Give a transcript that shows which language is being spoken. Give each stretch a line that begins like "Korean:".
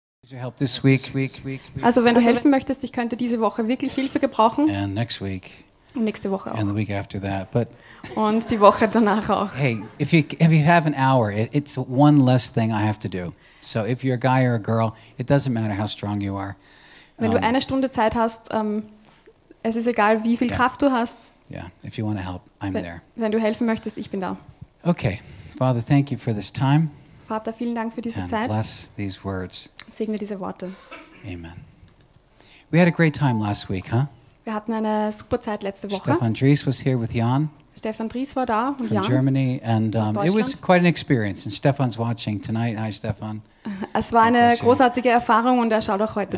English: Help this week, week.
German: Also wenn du helfen möchtest, ich könnte diese Woche wirklich Hilfe gebrauchen.
English: And next week.
German: Und nächste Woche auch.
English: And the week after that. But
German: und die Woche danach auch.
English: Hey, if you have an hour, it's one less thing I have to do. So if you're a guy or a girl, it doesn't matter how strong you are.
German: Wenn du eine Stunde Zeit hast, es ist egal, wie viel Kraft du hast.
English: Yeah, if you want to help, I'm there.
German: Wenn du helfen möchtest, ich bin da.
English: Okay, Father, thank you for this time.
German: Vater, vielen Dank für diese
English: and
German: Zeit.
English: Bless these words.
German: Segne diese Worte.
English: Amen. We had a great time last week, huh?
German: Wir hatten eine super Zeit letzte Woche.
English: Stefan Dries was here with Jan.
German: Stefan Dries war da und Jan.
English: From Germany, and it was quite an experience. And Stefan's watching tonight. Hi, Stefan.
German: Es war eine großartige Erfahrung und er schaut auch heute